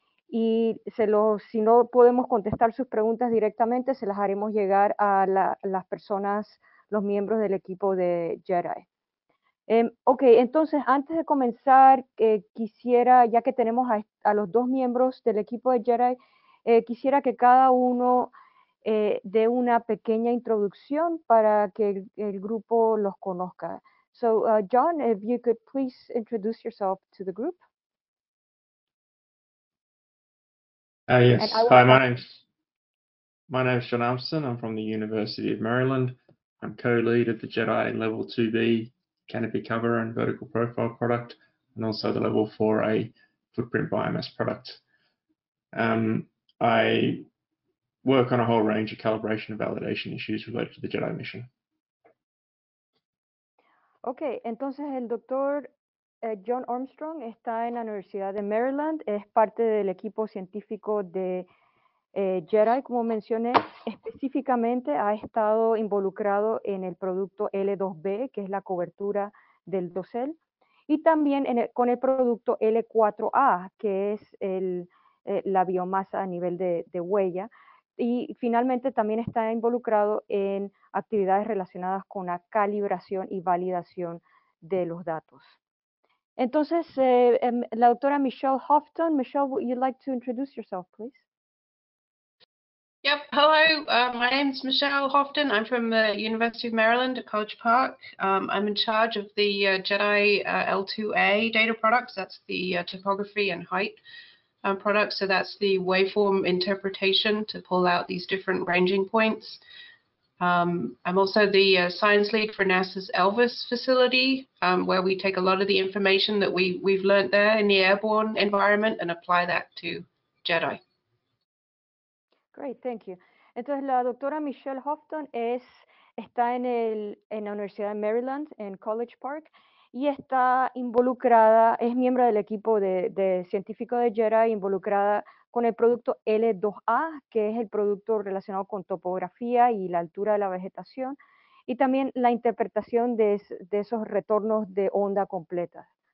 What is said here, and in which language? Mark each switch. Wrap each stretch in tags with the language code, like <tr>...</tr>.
<es>Y si no podemos contestar sus preguntas directamente, se las haremos llegar a las personas, los miembros del equipo de Jedi. Ok, entonces antes de comenzar, quisiera, ya que tenemos a los dos miembros del equipo de Jedi, quisiera que cada uno dé una pequeña introducción para que el grupo los conozca.</es> <en>So, John, if you could please introduce yourself to the group. And I Yes. will Hi, ask. my name's John Armstrong. I'm from the University of Maryland. I'm co-lead of the Jedi Level 2B Canopy Cover and Vertical Profile product, and also the Level 4A Footprint Biomass product. I work on a whole range of calibration and validation issues related to the Jedi mission.</en> <es>Ok, entonces el doctor John Armstrong está en la Universidad de Maryland, es parte del equipo científico de Jedi, como mencioné. Específicamente ha estado involucrado en el producto L2B, que es la cobertura del dosel, y también con el producto L4A, que es la biomasa a nivel de huella. Y finalmente también está involucrado en actividades relacionadas con la calibración y validación de los datos. Entonces, la doctora Michelle Houghton.</es> <en>Michelle, would you like to introduce yourself, please? Yep. Hello. My name is Michelle Houghton. I'm from the University of Maryland at College Park. I'm in charge of the Jedi L2A data products. That's the topography and height products. So that's the waveform interpretation to pull out these different ranging points. I'm also the science lead for NASA's ELVIS facility, where we take a lot of the information that we've learned there in the airborne environment and apply that to Jedi. Great, thank you.</en> <es>Entonces, la doctora Michelle Houghton está en la Universidad de Maryland, en College Park, y está involucrada, es miembro del equipo de científico de Jedi, involucrada con el producto L2A, que es el producto relacionado con topografía y la altura de la vegetación, y también la interpretación de esos retornos de onda completas.</es>